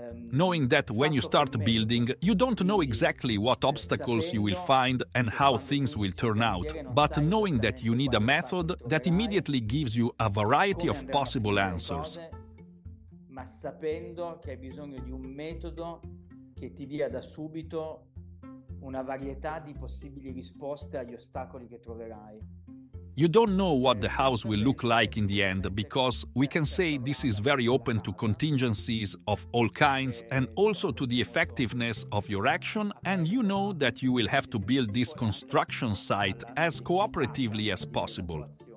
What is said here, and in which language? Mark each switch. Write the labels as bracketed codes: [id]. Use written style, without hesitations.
[en] Knowing that when you start building, you don't know exactly what obstacles you will find and how things will turn out, but knowing that you need a method that immediately gives you a variety of possible answers. [it] Ma sapendo che hai bisogno di un metodo che ti dia da subito una varietà di possibili risposte agli ostacoli che troverai. [en] You don't know what the house will look like in the end, because we can say this is very open to contingencies of all kinds and also to the effectiveness of your action, and you know that you will have to build this construction site as cooperatively as possible.